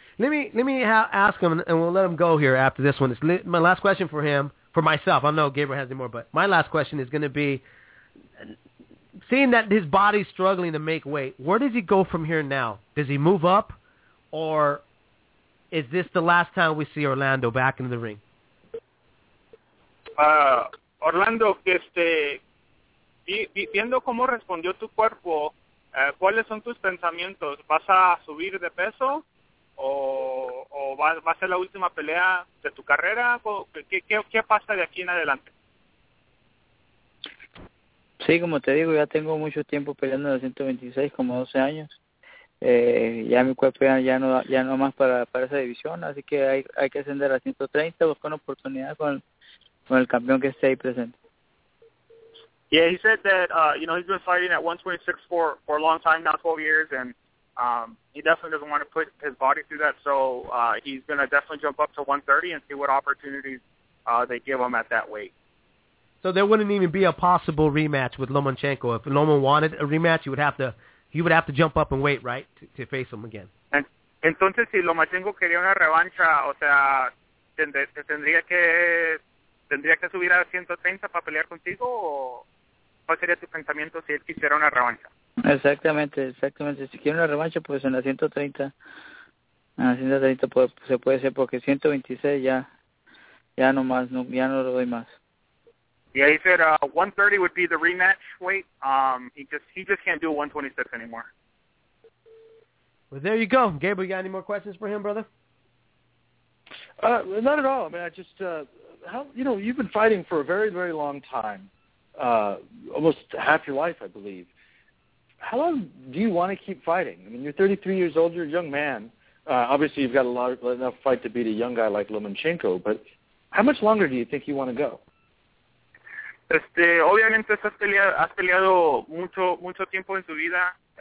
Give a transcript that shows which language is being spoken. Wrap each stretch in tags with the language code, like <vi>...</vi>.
<en>Let me ask him, and we'll let him go here after this one. My last question for him, for myself. I know Gabriel has any more, but my last question is going to be, seeing that his body's struggling to make weight, where does he go from here now? Does he move up, or is this the last time we see Orlando back in the ring?</en> <es>Orlando, viendo cómo respondió tu cuerpo, ¿cuáles son tus pensamientos? ¿Vas a subir de peso o va a ser la última pelea de tu carrera? ¿Qué pasa de aquí en adelante? Sí, como te digo, ya tengo mucho tiempo peleando en el 126, como 12 años. Ya mi cuerpo ya no más para esa división, así que hay que ascender a 130, buscar una oportunidad con el campeón que esté ahí presente.</es> <en>Yeah, he said that, you know, he's been fighting at 126 for a long time, now 12 years, and he definitely doesn't want to put his body through that, so he's going to definitely jump up to 130 and see what opportunities they give him at that weight. So there wouldn't even be a possible rematch with Lomachenko. If Loma wanted a rematch, he would have to jump up and wait, right, to face him again.</en> <es>And entonces, si Lomachenko quería una revancha, o sea, ¿Tendría que subir a 130 para pelear contigo o cuál sería tu pensamiento si él quisiera una revancha? Exactamente, exactamente. Si quiere una revancha, pues en la 130. En la 130 se puede hacer porque 126 ya. Ya no más, no, ya no lo doy más.</es> <en>Yeah, he said 130 would be the rematch weight. He just can't do a 126 anymore. Well, there you go. Gabriel, you got any more questions for him, brother? Not at all. I mean, I just, you've been fighting for a very, very long time, almost half your life, I believe. How long do you want to keep fighting? I mean, you're 33 years old, you're a young man. Obviously, you've got enough fight to beat a young guy like Lomachenko, but how much longer do you think you want to go?</en> <es>Obviamente has peleado mucho tiempo en tu vida.</es>